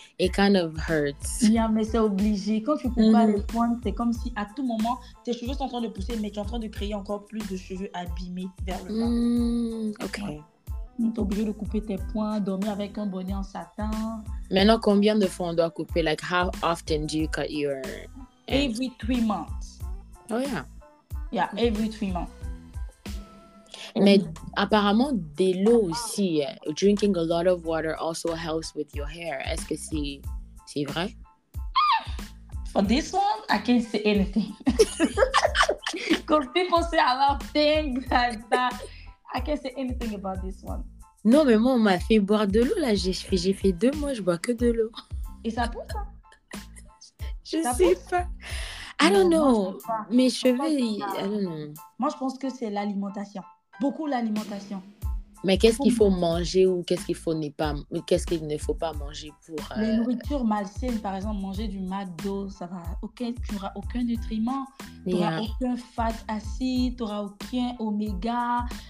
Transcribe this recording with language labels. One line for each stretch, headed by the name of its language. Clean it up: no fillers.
English: It kind of hurts.
French: Yeah, mais c'est obligé. Quand tu coupes pas les pointes, c'est comme si, à tout moment, tes cheveux sont en train de pousser, mais tu es en train de créer encore plus de cheveux abîmés vers le bas. OK. Ouais. T'es obligé de couper tes pointes, dormir avec un bonnet en satin. Maintenant, combien de fois on doit couper?
English: Like, how often do you cut your... Every 3 months. Oh, yeah. Yeah, every 3 months.
French: Mais apparemment, de l'eau aussi.
English: Drinking a lot of water also helps with your hair.
French: Est-ce que c'est vrai?
English: For this one, I can't say anything. Because people say a lot of things like that. I can't say anything about this one.
French: Non, mais moi, on m'a fait boire de l'eau. Là, j'ai fait 2 mois, je bois que de l'eau. Et ça pousse, hein? Je ça sais pousse? Pas. I don't non, know. Moi, mes cheveux,
English: I don't know.
French: Moi, je pense que c'est l'alimentation. Beaucoup l'alimentation. Mais qu'est-ce qu'il faut manger ou qu'est-ce qu'il faut ne pas, qu'est-ce qu'il ne faut pas manger pour... Les nourritures malsaines, par exemple, manger du McDo, ça va, okay, tu n'auras aucun nutriment, tu n'auras aucun fat acide, tu n'auras aucun oméga.